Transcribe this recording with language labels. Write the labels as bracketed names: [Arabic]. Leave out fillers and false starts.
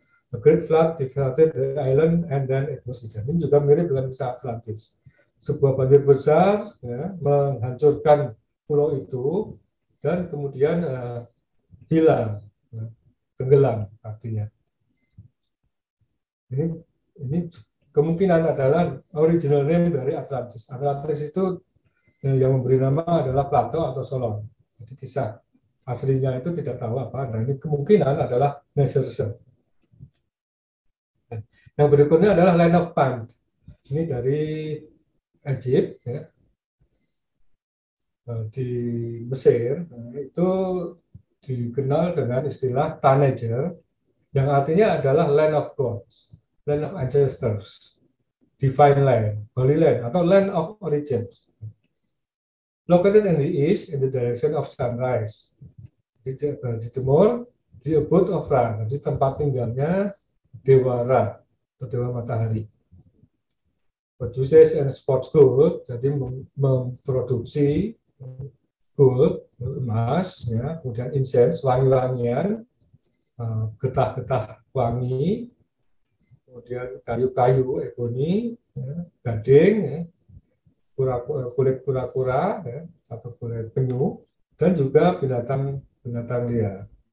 [English] A great flood devastated the island and then it was hidden. [Indonesian] Ini juga mirip dengan Atlantis. Sebuah banjir besar ya, menghancurkan pulau itu dan kemudian hilang, ya, tenggelam artinya. Ini kemungkinan adalah original name dari Atlantis. Atlantis itu yang memberi nama adalah Plato atau Solon. Jadi kisah aslinya itu tidak tahu apa. Nah ini kemungkinan adalah Neserser. Yang berikutnya adalah Land of Punt. Ini dari Egypt, ya. Di Mesir, itu dikenal dengan istilah Taneger, yang artinya adalah [English] land of gods, land of ancestors, divine land, holy land, atau land of origins. Located in the east, in the direction of sunrise. [Indonesian] Di timur, di [English] abode of Ra, [Indonesian] di tempat tinggalnya Dewa Ra, atau Dewa Matahari. [English] Produces and sports gold, [Indonesian] jadi memproduksi gold, emas, ya, kemudian incense, wangi-wangian, getah-getah wangi, kemudian kayu-kayu ebony, ya, gading, ya, kulit kura-kura, ya, atau kulit penyu, dan juga binatang-binatang liar.